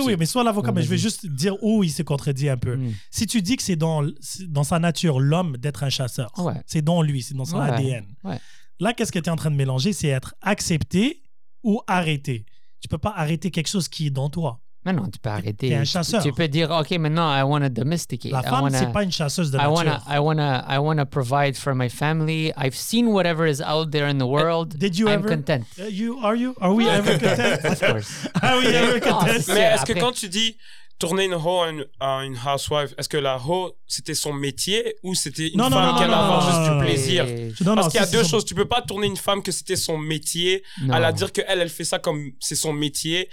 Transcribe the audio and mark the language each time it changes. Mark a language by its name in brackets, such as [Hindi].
[French] Oui, mais sois l'avocat, mais je vais juste dire où il se contredit un peu. Si tu dis que c'est dans sa nature, l'homme, d'être un chasseur, c'est dans lui, c'est dans son ADN. Là, qu'est-ce que tu es en train de mélanger? C'est être accepté ou arrêté. Tu peux pas arrêter quelque chose qui est dans toi. Mais non, tu peux arrêter. T'es un chasseur. Tu peux dire, OK, maintenant, [English] I want to domesticate. [French] La femme, c'est pas une chasseuse de nature. [English] I want to provide for my family. I've seen whatever is out there in the world. I'm content. Are we ever content? Of course. Are we ever content? [French] Mais est-ce que quand tu dis tourner une hoe à une housewife, est-ce que la hoe, c'était son métier ou c'était une femme qui allait avoir juste du plaisir? Parce qu'il y a deux choses. Tu peux pas tourner une femme que c'était son métier, à la dire qu'elle, elle fait ça comme c'est son métier.